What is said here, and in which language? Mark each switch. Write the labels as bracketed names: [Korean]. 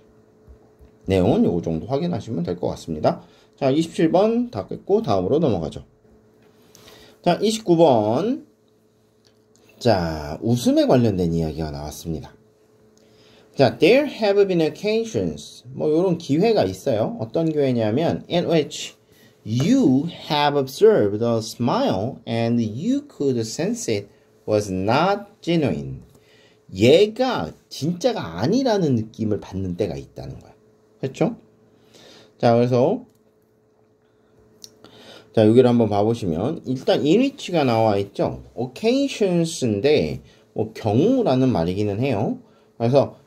[Korean] 내용은 요 정도 확인하시면 될 것 같습니다. 자, 27번 다 끝고 다음으로 넘어가죠. 자, 29번. 자, 웃음에 관련된 이야기가 나왔습니다. 자, [English] there have been occasions. [Korean] 뭐, 요런 기회가 있어요. 어떤 기회냐면, [English] in which you have observed a smile and you could sense it was not genuine. [Korean] 얘가 진짜가 아니라는 느낌을 받는 때가 있다는 거야. 그렇죠? 자, 그래서 자, 여기를 한번 봐보시면 일단 in which가 나와 있죠. occasions인데 뭐 경우라는 말이기는 해요. 그래서